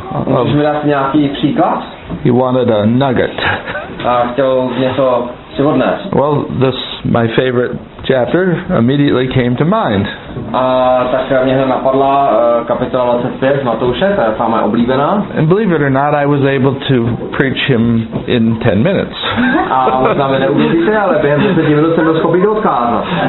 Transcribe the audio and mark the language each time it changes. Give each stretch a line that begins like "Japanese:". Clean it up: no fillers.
Czech: Můžeš mi dát nějaký příklad?
English: You wanted a nugget.
Czech: A chtěl něco si odnést.
English: Well, this, my favorite chapter, immediately came to mind.
Czech: A tak mě napadla kapitola 25 z Matouše, ta je samá oblíbená.
English: And believe it or not, I was able to preach him in 10 minutes.
Czech: A možná mi neuvěříte, ale během 10 minut jsem byl schopný odkázat.